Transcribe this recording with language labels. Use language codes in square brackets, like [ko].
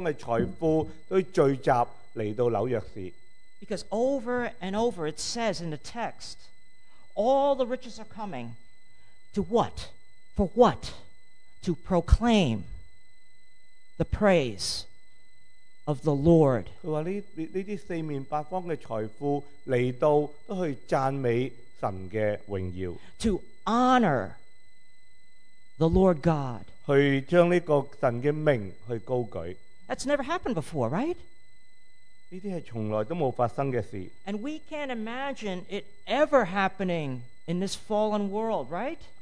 [zh] 不是说好像是纽约这样,四面八方的财富都聚集来到纽约市。 [en] Because over and over it says in the text, all the riches are coming to what? For what? To proclaim the praise of the Lord. [zh] 他说这些四面八方的财富来到都去赞美神的荣耀。 [en] To honor the Lord God. [zh] 去将这个神的名去高举。 [en] That's never happened before, right? And we can't imagine it ever happening in this fallen world, right?